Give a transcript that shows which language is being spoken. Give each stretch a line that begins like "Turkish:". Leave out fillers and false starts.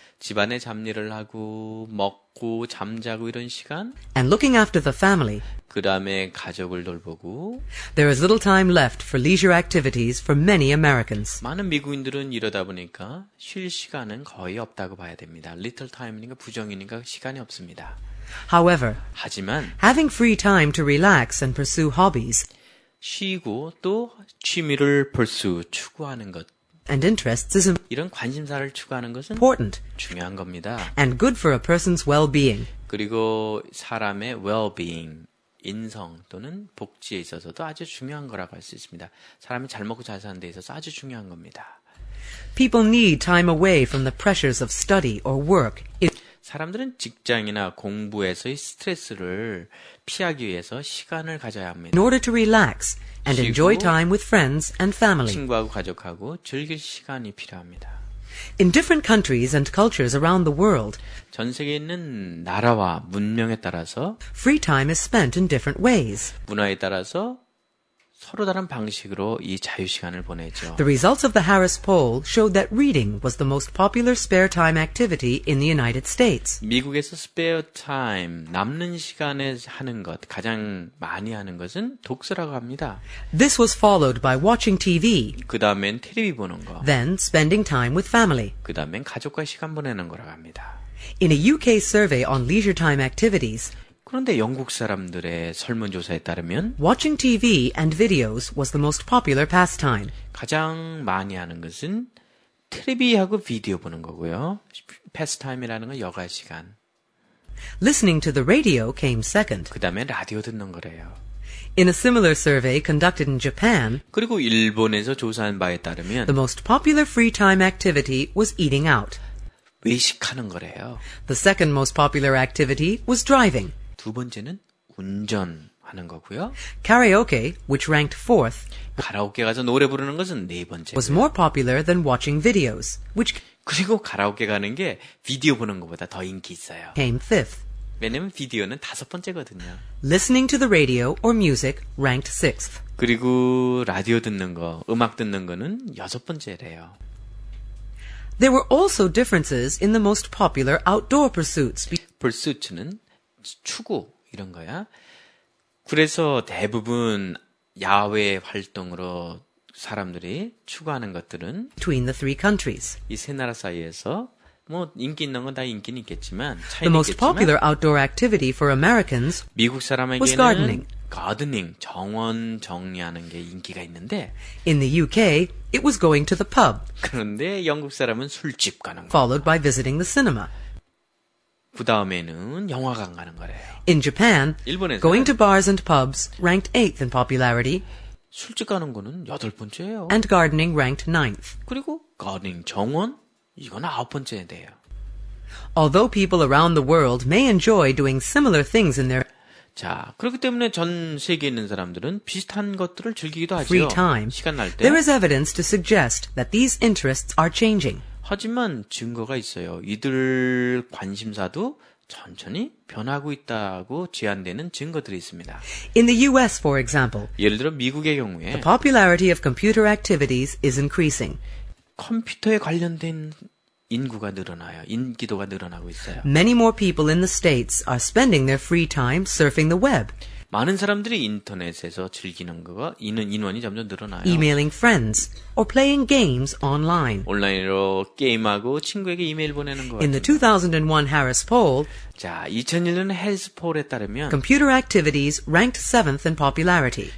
Korean: 집안의 잡일을 하고 먹고 잠자고 이런 시간.
English: And looking after the family.
Korean: 그다음에 가족을 돌보고.
English: There is little time left for leisure activities for many Americans.
Korean: 많은 미국인들은 이러다 보니까 쉴 시간은 거의 없다고 봐야 됩니다.
English: Little time
Korean: 이니까 부정이니까 시간이 없습니다.
English: However,
Korean: 하지만
English: having free time to relax and pursue hobbies
Korean: 쉬고 또 취미를 pursue 추구하는 것
English: and interests is
Korean: 이런 관심사를 추구하는 것은
English: important
Korean: 중요한 겁니다.
English: and good for a person's well-being
Korean: 그리고 사람의 well-being 인성 또는 복지에 있어서도 아주 중요한 거라고 할 수 있습니다. 사람이 잘 먹고 잘 사는 데 있어서 아주 중요한 겁니다.
English: People need time away from the pressures of study or work.
Korean: 사람들은 직장이나 공부에서의 스트레스를 피하기 위해서 시간을 가져야 합니다.
English: In order to relax and enjoy time with friends and family.
Korean: 친구하고 가족하고 즐길 시간이 필요합니다.
English: In different countries and cultures around the world.
Korean: 전 세계에 있는 나라와 문명에 따라서
English: free time is spent in different ways.
Korean: 문화에 따라서 서로 다른 방식으로 이 자유 시간을 보내죠.
English: The results of the Harris poll showed that reading was the most popular spare time activity in the United States.
Korean: 미국에서
English: spare time
Korean: 남는 시간에 하는 것 가장 많이 하는 것은 독서라고 합니다.
English: This was followed by watching TV.
Korean: 그다음엔 TV 보는 거.
English: Then spending time with family.
Korean: 그다음엔 가족과 시간 보내는 거라고 합니다.
English: In a UK survey on leisure time activities.
Korean: 그런데 영국 사람들의 설문조사에 따르면
English: watching TV and videos was the most popular pastime.
Korean: 가장 많이 하는 것은 TV하고 비디오 보는 거고요. pastime이라는 건 여가 시간.
English: Listening to the radio came second.
Korean: 그다음에 라디오 듣는 거래요.
English: In a similar survey conducted in Japan,
Korean: 그리고 일본에서 조사한 바에 따르면
English: the most popular free time activity was eating out.
Korean: 외식하는 거래요.
English: The second most popular activity was driving.
Korean: 두 번째는 운전하는 거고요.
English: Karaoke, which ranked fourth,
Korean: 가라오케 가서 노래 부르는 것은 네 번째.
English: Was more popular than watching videos, which
Korean: 그리고 가라오케 가는 게 비디오 보는 것보다 더 인기 있어요.
English: Came fifth.
Korean: 왜냐면 비디오는 다섯 번째거든요.
English: Listening to the radio or music ranked sixth.
Korean: 그리고 라디오 듣는 거, 음악 듣는 거는 여섯 번째래요.
English: There were also differences in the most popular outdoor pursuits.
Korean: Pursuits는 추구 이런 거야. 그래서 대부분 야외 활동으로 사람들이 추구하는 것들은
English: between the three countries
Korean: 이 세 나라 사이에서 뭐 인기 있는 건 다 인기는 있겠지만 차이는 있겠지만
English: the most popular outdoor activity for Americans
Korean: 미국 사람에게는
English: was gardening.
Korean: gardening 정원 정리하는 게 인기가 있는데
English: in the UK it was going to the pub
Korean: 그런데 영국 사람은 술집 가는 거
English: followed by visiting the cinema
Korean: 그 다음에는 영화관 가는 거래요.
English: In Japan,
Korean: 일본에서는
English: going to bars and pubs ranked 8th in popularity.
Korean: 술집 가는 거는 여덟 번째예요.
English: And gardening ranked 9th.
Korean: 그리고 gardening 정원 이건 아홉 번째에 돼요.
English: Although people around the world may enjoy doing similar things in their
Korean: 자, 그렇기 때문에 전 세계에 있는 사람들은 비슷한 것들을 즐기기도 하죠.
English: Free time.
Korean: 시간 날 때.
English: There is evidence to suggest that these interests are changing.
Korean: 하지만 증거가 있어요. 이들 관심사도 천천히 변하고 있다고 제안되는 증거들이 있습니다.
English: In the US, for example,
Korean: 예를 들어 미국의 경우에
English: the popularity of computer activities is increasing.
Korean: 컴퓨터에 관련된 인구가 늘어나요. 인기도가 늘어나고 있어요.
English: Many more people in the States are spending their free time surfing the web.
Korean: 많은 사람들이 인터넷에서 즐기는 거가 인원이 점점 늘어나요.
English: Emailing friends or playing games online.
Korean: 온라인으로 게임하고 친구에게 이메일 보내는 거.
English: In the 2001 Harris poll.
Korean: 자, 2001년 해리스 폴에 따르면
English: computer activities ranked 7th in popularity.